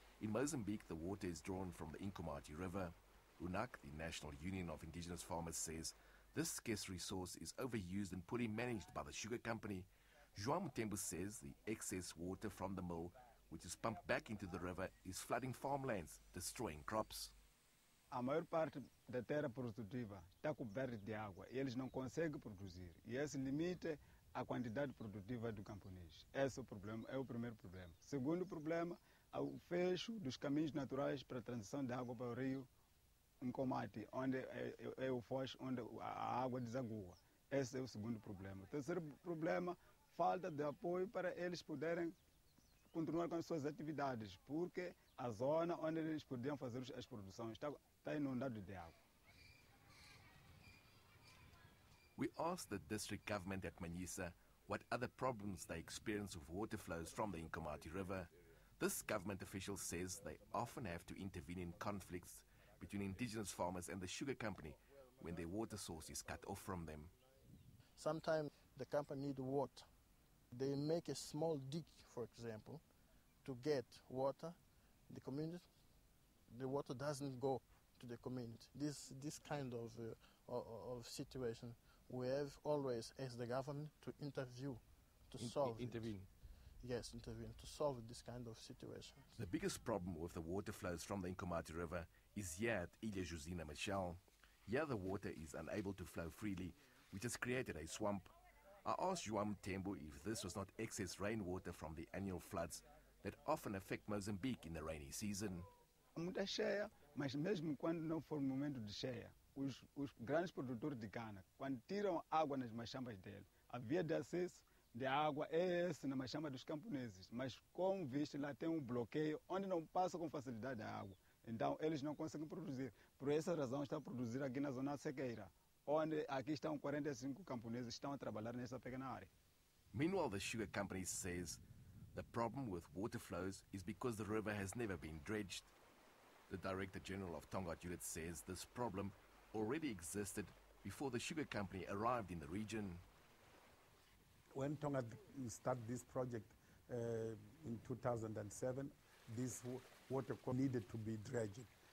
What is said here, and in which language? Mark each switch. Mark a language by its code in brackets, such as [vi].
[en] In Mozambique, the water is drawn from the Inkomati River. UNAC, the National Union of Indigenous Farmers, says this scarce resource is overused and poorly managed by the sugar company. João Mutembu says the excess water from the mill, which is pumped back into the river, is flooding farmlands, destroying crops. [pt] A maior parte da terra produtiva está coberta de água e eles não conseguem produzir. E esse limite a quantidade produtiva do camponês. Esse é o problema, é o primeiro problema. Segundo problema, é o fecho dos caminhos naturais para a transição de água para o rio Inkomati, onde é o foz onde a água desagua. Esse é o segundo problema. Terceiro problema, falta de apoio para eles poderem continuar com as suas atividades, porque a zona onde eles podiam fazer as produções está inundada de água. [en] We asked the district government at Manyisa what other problems they experience with water flows from the Inkomati River. This government official says they often have to intervene in conflicts between indigenous farmers and the sugar company when their water source is cut off from them. Sometimes the company need water. They make a small dig, for example, to get water. The community, the water doesn't go to the community. This kind of situation. We have always, as the government, to intervene. Yes, intervene to solve this kind of situation. The biggest problem with the water flows from the Inkomati River is here at Ilha Josina Machel. Here the water is unable to flow freely, which has created a swamp. I asked João Mutembu if this was not excess rainwater from the annual floods that often affect Mozambique in the rainy season. [pt] Muita cheia, mas mesmo quando não for momento de cheia, os grandes produtores de cana, quando tiram água nas machambas dele, a via de acesso de água é essa na machamba dos camponeses. Mas como viste, lá tem um bloqueio onde não passa com facilidade a água. Então eles não conseguem produzir. Por essa razão estão a produzir aqui na zona sequeira, onde aqui estão 45 camponeses que estão a trabalhar nessa pequena área. [en] Meanwhile, the sugar company says the problem with water flows is because the river has never been dredged. The director general of Tongaat Unit says this problem already existed before the sugar company arrived in the region. When Tongaat started this project in 2007, this water needed to be dredged.